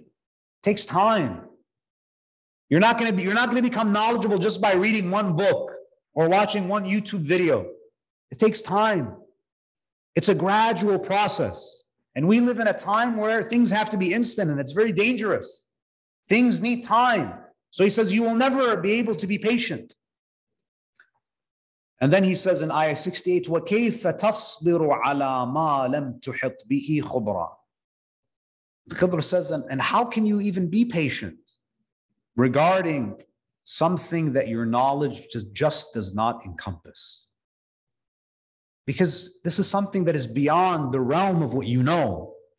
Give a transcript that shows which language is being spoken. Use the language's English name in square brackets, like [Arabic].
[English] It takes time. You're not gonna become knowledgeable just by reading one book or watching one YouTube video. It takes time. It's a gradual process. And we live in a time where things have to be instant, and it's very dangerous. Things need time. So he says, you will never be able to be patient. And then he says in ayah 68, [Arabic] وَكَيْفَ تَصْبِرُ عَلَى مَا لَمْ تُحِطْ بِهِ خُبْرًا. [English] Khidr says, and how can you even be patient regarding something that your knowledge just does not encompass? Because this is something that is beyond the realm of what you know.